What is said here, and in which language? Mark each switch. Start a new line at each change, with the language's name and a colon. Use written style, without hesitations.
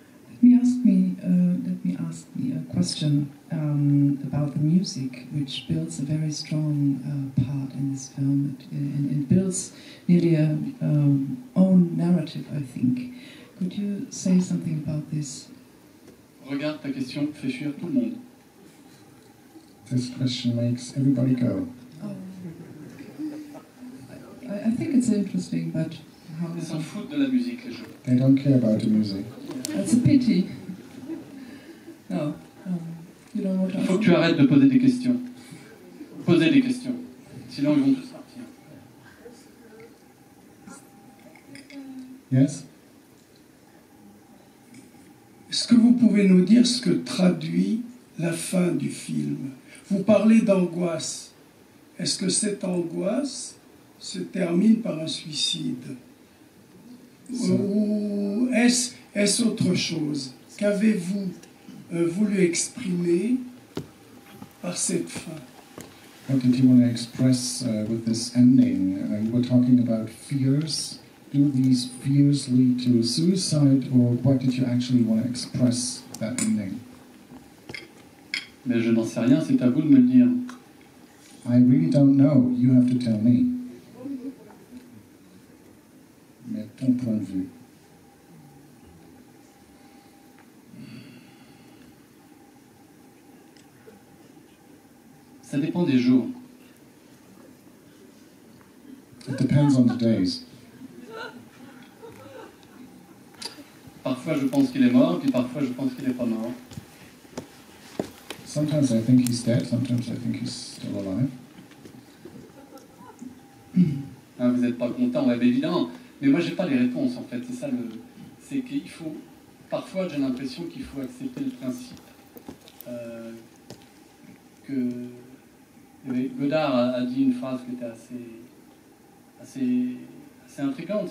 English: Let me ask me a question about the music, which builds a very strong part in this film, and builds nearly a own narrative, I think. Could you say something about this?
French: Regarde, ta question fait fuir tout le monde.
English: This question makes everybody go. I think it's interesting, but how?
French: Ils s'en foutent de la musique, les gens.
English: They don't care about the music. That's a pity.
French: Il faut que tu arrêtes de poser des questions. Poser des questions. Sinon, ils vont tous partir.
English: Yes?
French: Est-ce que vous pouvez nous dire ce que traduit la fin du film? Vous parlez d'angoisse. Est-ce que cette angoisse se termine par un suicide? Ou est-ce autre chose? Qu'avez-vous voulu exprimer par cette fin?
English: What did you want to express with this ending? You were talking about fears do these fears lead to suicide, or what did you actually want to express that ending?
French: Mais je n'en sais rien, c'est à vous de me le dire.
English: I really don't know, you have to tell me.
French: Mais ton point de vue. Ça dépend des jours.
English: It depends on the days.
French: Parfois je pense qu'il est mort, puis parfois je pense qu'il n'est pas mort.
English: Sometimes I think he's dead, sometimes I think he's still alive.
French: Ah, vous n'êtes pas content, ouais, mais évidemment. Mais moi, je n'ai pas les réponses, en fait. C'est ça le... C'est qu'il faut... Parfois, j'ai l'impression qu'il faut accepter le principe que... Godard a dit une phrase qui était assez intrigante.